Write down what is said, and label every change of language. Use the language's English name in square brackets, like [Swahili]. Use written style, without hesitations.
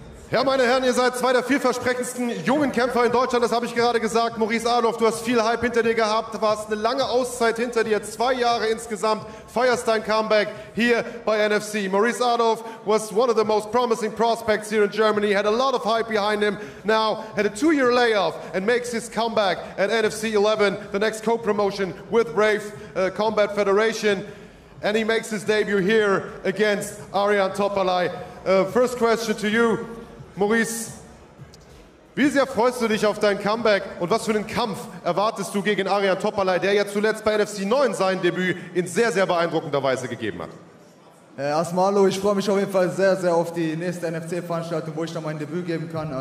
[German] Ja, meine Herren, ihr seid zwei der vielversprechendsten jungen Kämpfer in Deutschland, das habe ich gerade gesagt. Maurice Adolf, du hast viel Hype hinter dir gehabt, warst eine lange Auszeit hinter dir, 2 Jahre insgesamt, feierst dein Comeback hier bei NFC. [English] Maurice Adolf was one of the most promising prospects here in Germany, had a lot of hype behind him, now had a 2-year layoff and makes his comeback at NFC 11, the next co-promotion with Rafe Combat Federation. And he makes his debut here against Arian Topalay. First question to you. [German] Maurice, wie sehr freust du dich auf dein Comeback und was für einen Kampf erwartest du gegen Arian Topalay, der ja zuletzt bei NFC 9 sein Debüt in sehr, sehr beeindruckender Weise gegeben hat? Erstmal hallo, ich freue mich auf jeden Fall sehr, sehr auf die nächste NFC-Veranstaltung, wo ich dann mein Debüt geben kann.